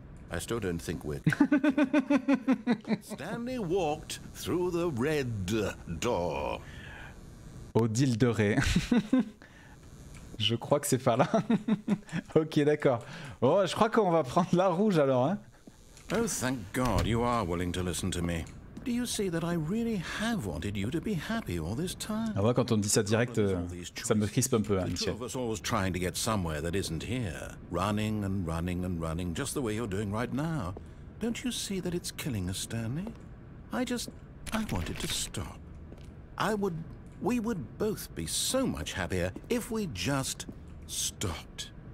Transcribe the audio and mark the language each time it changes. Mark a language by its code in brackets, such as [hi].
[en] I still don't think we're... Stanley walked through the red door. [fr] Odile de Ré. Je crois que c'est par là. Ok, d'accord. Oh, je crois qu'on va prendre la rouge alors, hein. [en] Oh, thank God, you are willing to listen to me. Do you see that I really have wanted you to be happy all this time? [fr] Ah ouais, quand on dit ça direct, ça me crispe un peu, hein, Michel. [en] The two of us always trying to get somewhere that isn't here. Running and running and running, just the way you're doing right now. Don't you see that it's killing us, Stanley? I wanted to stop. We would both be so much happier if we just stopped.